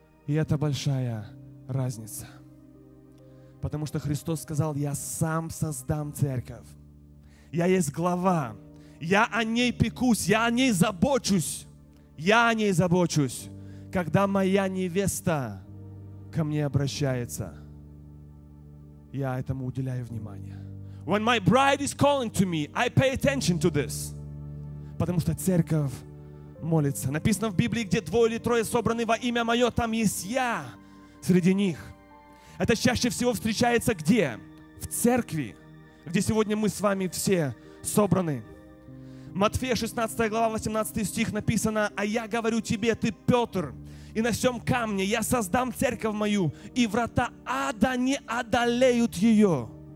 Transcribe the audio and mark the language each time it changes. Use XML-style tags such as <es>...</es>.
<ru>И это большая разница. Потому что Христос сказал: я сам создам церковь. Я есть глава, я о ней пекусь, я о ней забочусь, я о ней забочусь, когда моя невеста ко мне обращается, я этому уделяю внимание.</ru> <en>When my bride is calling to me, I pay attention to this.</en> <ru>Потому что церковь молится. Написано в Библии: где двое или трое собраны во имя мое, там есть я среди них. Это чаще всего встречается где? В церкви. Где сегодня мы с вами все собраны. Матфея 16 глава 18 стих написано: «А я говорю тебе, ты Петр, и на сём камне я создам церковь мою, и врата ада не одолеют ее».</ru>